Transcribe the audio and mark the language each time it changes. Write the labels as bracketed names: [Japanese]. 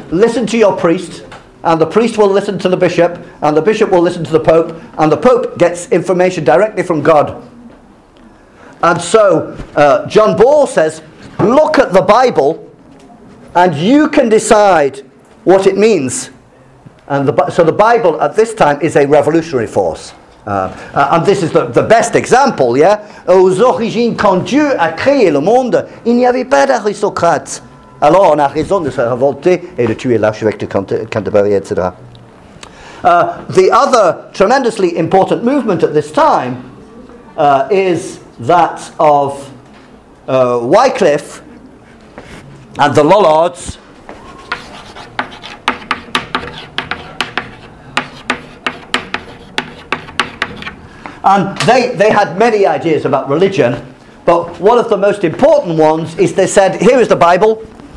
[English] Listen to your priest, and the priest will listen to the bishop, and the bishop will listen to the pope, and the pope gets information directly from God. And so John Ball says, look at the Bible and you can decide what it means. And so the Bible at this time is a revolutionary force. And this is the best example, yeah? [French] Aux origines, quand Dieu a créé le monde, il n'y avait pas d'aristocrates. Alors on a raison de se révolter et de tuer l'archevêque de Canterbury, etc. [English] The other tremendously important movement at this time is that of Wycliffe and the Lollards, and they had many ideas about religion, but one of the most important ones is they said, here is the Bible.